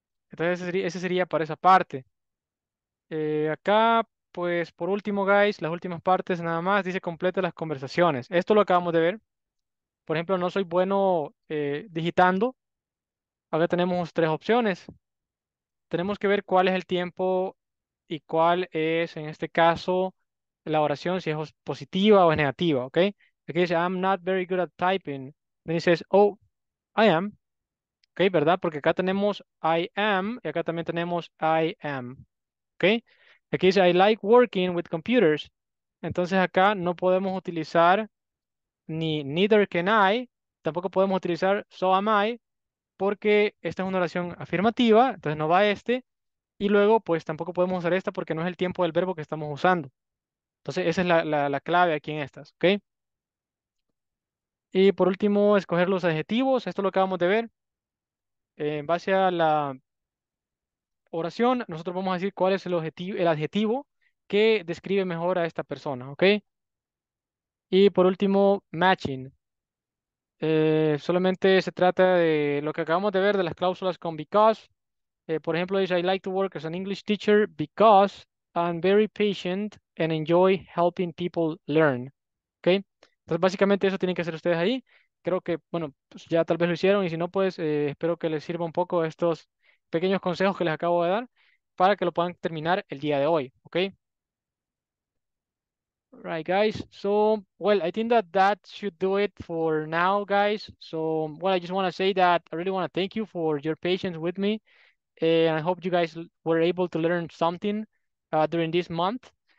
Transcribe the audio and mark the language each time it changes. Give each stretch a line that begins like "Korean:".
Spanish: Entonces, ese sería para esa parte. Acá, pues, por último, guys, las últimas partes nada más, dice complete las conversaciones. Esto lo acabamos de ver. Por ejemplo, no soy bueno digitando. Acá tenemos tres opciones. Tenemos que ver cuál es el tiempo y cuál es, en este caso, la oración, si es positiva o es negativa, ¿ok? Aquí dice,
English: I'm not very good at typing. Then he says, oh, I am.
Spanish: Okay, ¿verdad? Porque acá tenemos I am y acá también tenemos I am. Okay. Aquí dice,
English: I like working with computers.
Spanish: Entonces acá no podemos utilizar ni
English: neither can I,
Spanish: tampoco podemos utilizar
English: so am I,
Spanish: porque esta es una oración afirmativa, entonces no va este, y luego pues tampoco podemos usar esta porque no es el tiempo del verbo que estamos usando. Entonces esa es la clave aquí en estas, ¿ok? Y por último, escoger los adjetivos, esto es lo que acabamos de ver. En base a la oración, nosotros vamos a decir cuál es el adjetivo que describe mejor a esta persona, ¿ok? Y por último, matching. Solamente se trata de lo que acabamos de ver de las cláusulas con because. Por ejemplo, dice,
English: I like to work as an English teacher because I'm very patient and enjoy helping people learn.
Spanish: ¿Ok? Entonces, básicamente eso tienen que hacer ustedes ahí. Creo que, bueno, pues ya tal vez lo hicieron y si no, pues espero que les sirva un poco estos pequeños consejos que les acabo de dar para que lo puedan terminar el día de hoy. ¿Ok?
English: Right, guys, so, well, I think that should do it for now, guys. So, well, I just want to say that I really want to thank you for your patience with me. And I hope you guys were able to learn something during this month.